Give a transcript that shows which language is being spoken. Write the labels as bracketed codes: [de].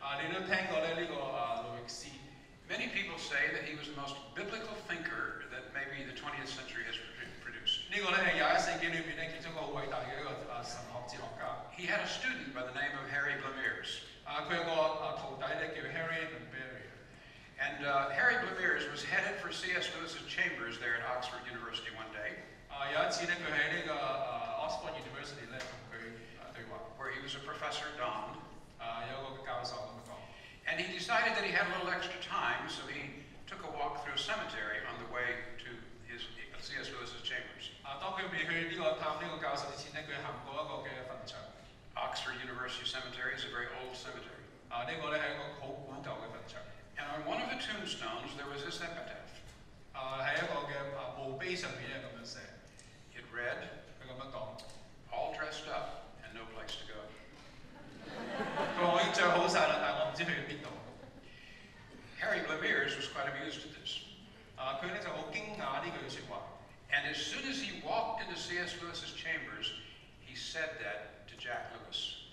[yue] 你都听过呢呢个卢易斯。 [en] Many people say that he was the most biblical thinker that maybe the 20th century has produced. [yue] 呢个呢系21世纪里面呢其中一个伟大嘅一个神学哲学家。 [en] He had a student by the name of Harry Blamires. [yue] 佢有个徒弟呢叫 Harry Blamires。 [en] And Harry Blamires was headed for C.S. Lewis's chambers there at Oxford University one day. [yue] 有一次呢佢喺呢个Oxford University呢同佢对话。 [en] Where he was a professor don. [yue] 有个教授咁样讲。 [en] And he decided that he had a little extra time, so he took a walk through a cemetery on the way to his C.S. Lewis's chambers. [yue] 当佢未去呢个探呢个教授之前呢，佢行过一个嘅坟场。 [en] Oxford University Cemetery is a very old cemetery. [yue] 呢个咧系一个好古旧嘅坟场。 [en] And on one of the tombstones, there was this epitaph. [yue] 喺一个嘅墓碑上面咧咁样写。 [en] It read, [yue] 佢咁样讲, [en] all dressed up and no place to go. [yue] 佢话我已经着好晒啦，但系我唔知去边度。 [en] Harry Blamires was quite amused at this. [yue] 佢咧就好惊讶呢句说话。 [en] And as soon as he walked into C.S. Lewis's chambers, he said that to Jack Lewis.